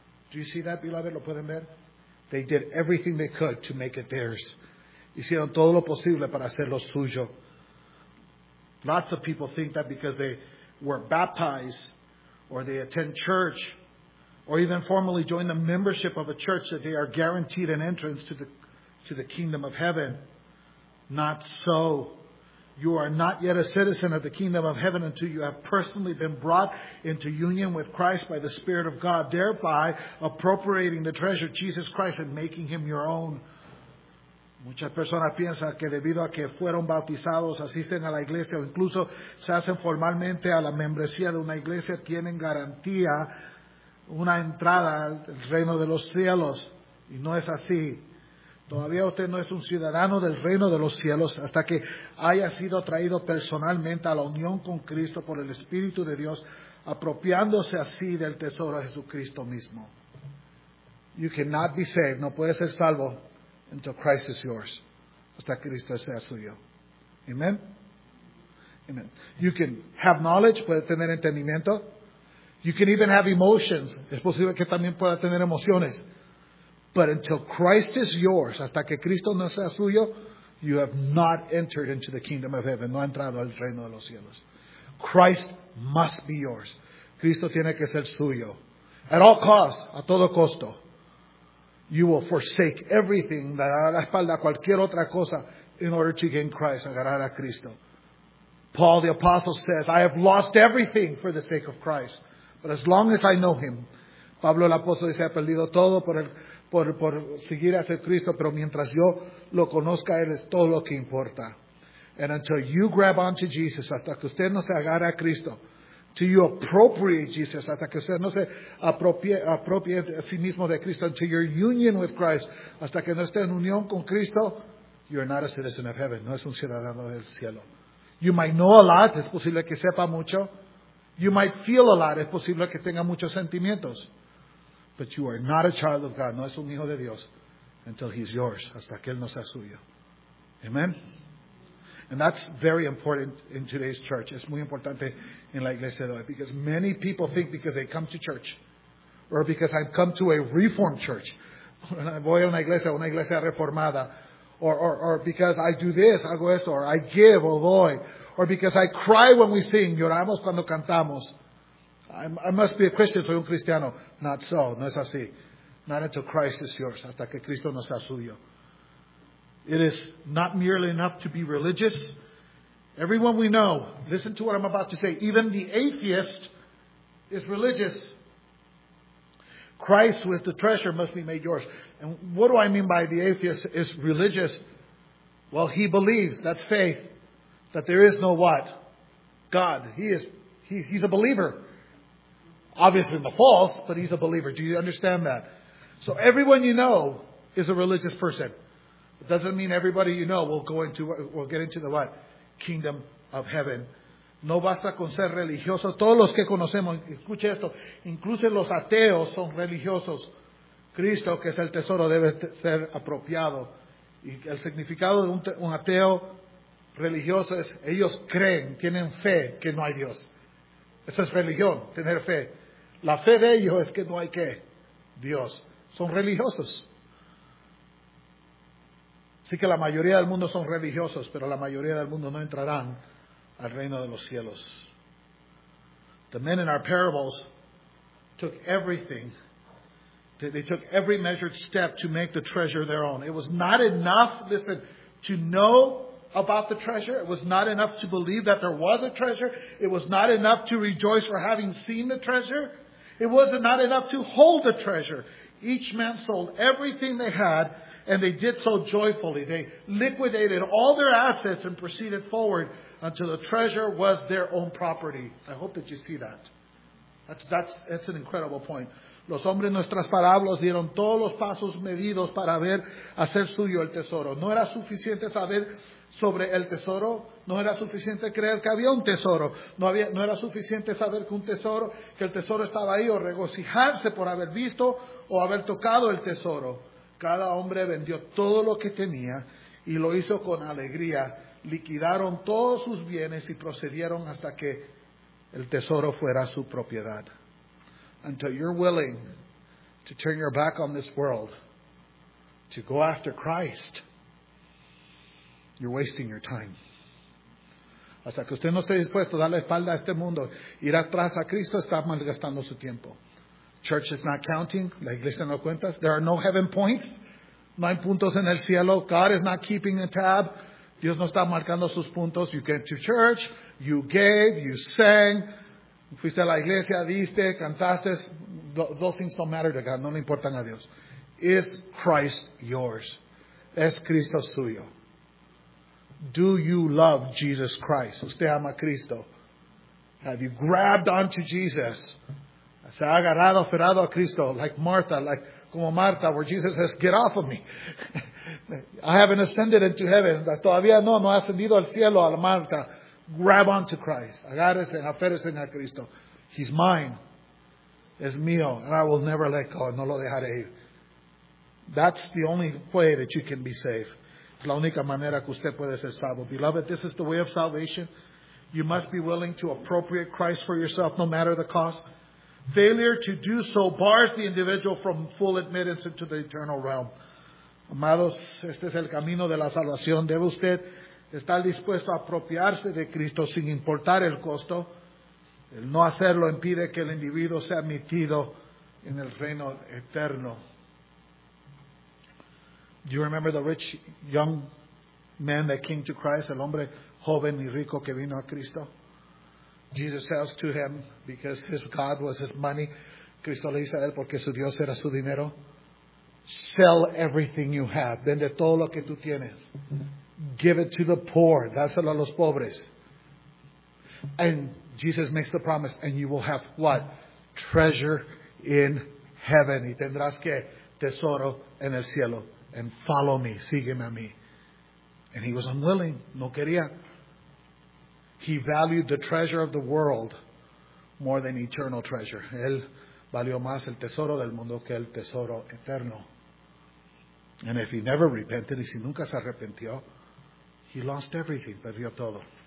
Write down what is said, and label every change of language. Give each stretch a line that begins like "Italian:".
English: Do you see that, beloved?
Spanish: ¿Lo pueden ver?
English: They did everything they could to make it theirs.
Spanish: Hicieron todo lo posible para hacerlo suyo.
English: Lots of people think that because they were baptized or they attend church or even formally join the membership of a church that they are guaranteed an entrance to the kingdom of heaven. Not so. You are not yet a citizen of the kingdom of heaven until you have personally been brought into union with Christ by the Spirit of God, thereby appropriating the treasure of Jesus Christ and making him your own.
Spanish: Muchas personas piensan que debido a que fueron bautizados, asisten a la iglesia o incluso se hacen formalmente a la membresía de una iglesia, tienen garantía una entrada al reino de los cielos. Y no es así. Todavía usted no es un ciudadano del reino de los cielos hasta que haya sido traído personalmente a la unión con Cristo por el Espíritu de Dios, apropiándose así del tesoro de Jesucristo mismo.
English: You cannot be saved.
Spanish: No puede ser salvo.
English: Until Christ is yours.
Spanish: Hasta Cristo sea suyo. Amen? Amen.
English: You can have knowledge.
Spanish: Puede tener entendimiento.
English: You can even have emotions.
Spanish: Es posible que también pueda tener emociones.
English: But until Christ is yours,
Spanish: hasta que Cristo no sea suyo,
English: you have not entered into the kingdom of heaven.
Spanish: No ha entrado al reino de los cielos.
English: Christ must be yours.
Spanish: Cristo tiene que ser suyo.
English: At all costs.
Spanish: A todo costo.
English: You will forsake everything,
Spanish: dar a la espalda cualquier otra cosa,
English: in order to gain Christ,
Spanish: agarrar a Cristo.
English: Paul the Apostle says, I have lost everything for the sake of Christ, but as long as I know him.
Spanish: Pablo el Apóstol dice, he perdido todo por seguir a Cristo, pero mientras yo lo conozca, él es todo lo que importa.
English: And until you grab onto Jesus,
Spanish: hasta que usted no se agarre a Cristo,
English: till you appropriate Jesus,
Spanish: hasta que usted no se apropie a sí mismo de Cristo,
English: until your union with Christ,
Spanish: hasta que no esté en unión con Cristo,
English: you are not a citizen of heaven.
Spanish: No es un ciudadano del cielo.
English: You might know a lot.
Spanish: Es posible que sepa mucho.
English: You might feel a lot.
Spanish: Es posible que tenga muchos sentimientos.
English: But you are not a child of God.
Spanish: No es un hijo de Dios.
English: Until he's yours.
Spanish: Hasta que él no sea suyo. Amen.
English: And that's very important in today's church.
Spanish: Es muy importante en la iglesia de hoy.
English: Because many people think because they come to church or because I've come to a reformed church.
Spanish: Voy a una iglesia reformada.
English: Or because I do this,
Spanish: hago esto.
English: Or I give,
Spanish: o doy.
English: Or because I cry when we sing.
Spanish: Lloramos cuando cantamos.
English: I must be a Christian,
Spanish: soy un cristiano.
English: Not so.
Spanish: No es así.
English: Not until Christ is yours.
Spanish: Hasta que Cristo no sea suyo.
English: It is not merely enough to be religious. Everyone we know, listen to what I'm about to say. Even the atheist is religious. Christ with the treasure must be made yours. And what do I mean by the atheist is religious? Well, he believes, that's faith, that there is no what? God. He's a believer. Obviously in the false, but he's a believer. Do you understand that? So everyone you know is a religious person. It doesn't mean everybody you know will get into the what? Kingdom of heaven.
Spanish: No basta con ser religioso. Todos los que conocemos, escuche esto, incluso los ateos son religiosos. Cristo, que es el tesoro, debe ser apropiado. Y el significado de un ateo religioso es, ellos creen, tienen fe que no hay Dios. Esa es religión, tener fe. La fe de ellos es que no hay qué, Dios. Son religiosos. Así que la mayoría del mundo son religiosos, pero la mayoría del mundo no entrarán al reino de los cielos.
English: The men in our parables took everything. They took every measured step to make the treasure their own. It was not enough, listen, to know about the treasure. It was not enough to believe that there was a treasure. It was not enough to rejoice for having seen the treasure. It was not enough to hold the treasure. Each man sold everything they had. And they did so joyfully. They liquidated all their assets and proceeded forward until the treasure was their own property. I hope that you see that. That's an incredible point.
Spanish: Los hombres en nuestras parábolas dieron todos los pasos medidos para ver hacer suyo el tesoro. No era suficiente saber sobre el tesoro. No era suficiente creer que había un tesoro. No era suficiente saber que el tesoro estaba ahí o regocijarse por haber visto o haber tocado el tesoro. Cada hombre vendió todo lo que tenía y lo hizo con alegría. Liquidaron todos sus bienes y procedieron hasta que el tesoro fuera su propiedad.
English: Until you're willing to turn your back on this world, to go after Christ, you're wasting your time.
Spanish: Hasta que usted no esté dispuesto a darle espalda a este mundo, ir atrás a Cristo, está malgastando su tiempo.
English: Church is not counting.
Spanish: La iglesia no cuenta.
English: There are no heaven points.
Spanish: No hay puntos en el cielo.
English: God is not keeping a tab.
Spanish: Dios no está marcando sus puntos.
English: You came to church, you gave, you sang,
Spanish: fuiste a la iglesia, diste, cantaste.
English: Those things don't matter to God.
Spanish: No le importan a Dios.
English: Is Christ yours?
Spanish: Es Cristo suyo.
English: Do you love Jesus Christ?
Spanish: Usted ama a Cristo.
English: Have you grabbed onto Jesus?
Spanish: Se ha agarrado, aferrado a Cristo,
English: like Martha, like como Martha, where Jesus says, get off of me. I haven't ascended into heaven.
Spanish: Todavía no ha ascendido al cielo, a la Martha.
English: Grab onto Christ.
Spanish: Agárrese, aférrese a Cristo.
English: He's mine.
Spanish: Es mío.
English: And I will never let go.
Spanish: No lo dejaré ir.
English: That's the only way that you can be saved.
Spanish: Es la única manera que usted puede ser salvo.
English: Beloved, this is the way of salvation. You must be willing to appropriate Christ for yourself, no matter the cost. Failure to do so bars the individual from full admittance into the eternal realm.
Spanish: Amados, este es el camino de la salvación. Debe usted estar dispuesto a apropiarse de Cristo sin importar el costo. El no hacerlo impide que el individuo sea admitido en el reino eterno.
English: Do you remember the rich young man that came to Christ?
Spanish: El hombre joven y rico que vino a Cristo.
English: Jesus says to him, because his God was his money.
Spanish: Cristo le dice a él, porque su Dios era su dinero.
English: Sell everything you have.
Spanish: Vende todo lo que tú tienes.
English: Give it to the poor.
Spanish: Dáselo a los pobres.
English: And Jesus makes the promise, and you will have what? Treasure in heaven.
Spanish: Y tendrás que tesoro en el cielo.
English: And follow me.
Spanish: Sígueme a mí.
English: And he was unwilling.
Spanish: No quería.
English: He valued the treasure of the world more than eternal treasure.
Spanish: Él valió más el tesoro del mundo que el tesoro eterno.
English: And if he never repented,
Spanish: y si nunca se arrepintió,
English: he lost everything,
Spanish: perdió todo.